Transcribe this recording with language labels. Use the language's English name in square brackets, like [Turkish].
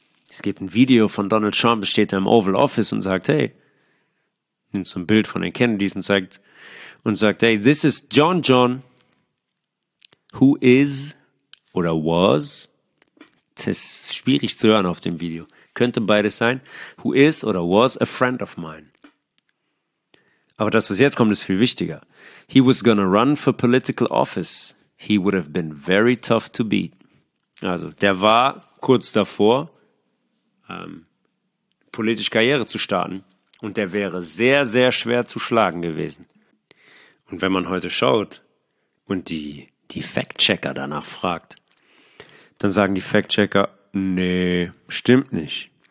[German] Es gibt ein Video von Donald Trump, steht da im Oval Office und sagt, hey, nimmt so ein Bild von den Kennedys und sagt, hey, [English] this is John, who is [German] oder was, das ist schwierig zu hören auf dem Video, könnte beides sein, [English] who is [German] oder was [English] a friend of mine. [German] Aber das, was jetzt kommt, ist viel wichtiger. [English] He was gonna run for political office. He would have been very tough to beat. [German] Also, der war kurz davor, politisch Karriere zu starten. Und der wäre sehr, sehr schwer zu schlagen gewesen. Und wenn man heute schaut und die Fact-Checker danach fragt, dann sagen die Fact-Checker, nee, stimmt nicht.